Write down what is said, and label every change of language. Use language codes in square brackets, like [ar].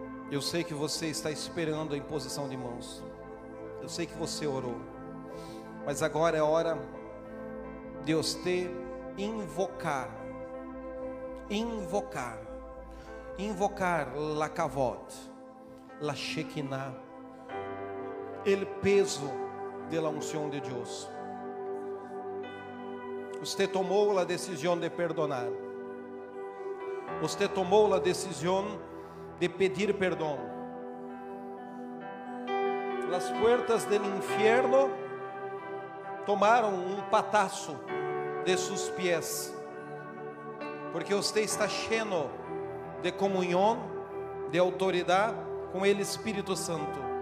[pt] Eu sei que você está esperando a imposição de mãos. Eu sei que você orou. Mas agora é hora de Deus te invocar. Invocar. [es] Invocar la kavod, la shekinah, el peso de la unción de Dios. [pt] Você tomou a decisão de perdonar. Você tomou a decisão de pedir perdão. As portas do inferno tomaram um pataço de seus pés, porque você está cheio de comunhão, de autoridade com o Espírito Santo.